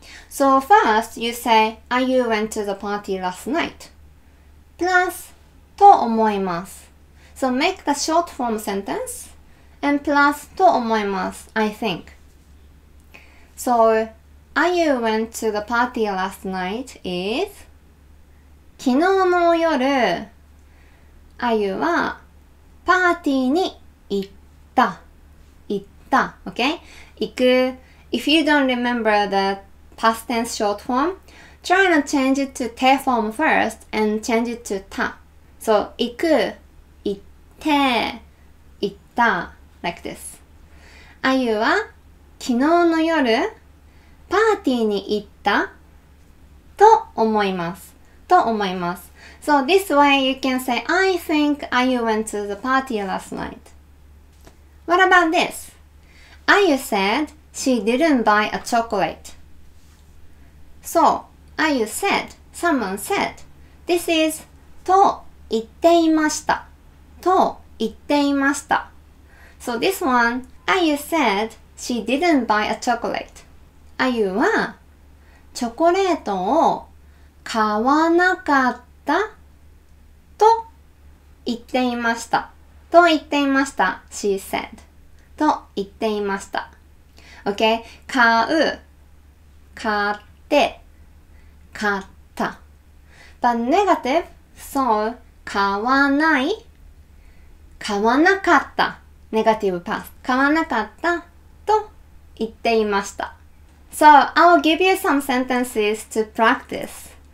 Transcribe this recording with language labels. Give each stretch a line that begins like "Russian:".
English: So, first, you say, Ayu went to the party last night. Plus, と思います. So make the short form sentence and plus と思います, I think. So, Ayu went to the party last night is
Japanese: 昨日の夜、あゆはパーティーに行った。行った。Okay? 行く。
English: If you don't remember the past tense short form, try to change it to te form first and change it to ta. So, 行く、行って、行った。 Like this.
Japanese: あゆは昨日の夜、パーティーに行ったと思います。と思います。
English: So this way you can say, I think Ayu went to the party last night. What about this? Ayu said she didn't buy a chocolate. So, Ayu said, someone said, this is と言っていました。
Japanese: と言っていました。
English: So this one, Ayu said she didn't buy a chocolate.
Japanese: Ayu はチョコレートを買わなかったと言っていました。と言っていました。
English: She said.
Japanese: と言っていました。Okay? 買う、買って、買った。
English: But negative, so, 買わない、買わなかった。Negative past.
Japanese: 買わなかったと言っていました。
English: So, I will give you some sentences to practice.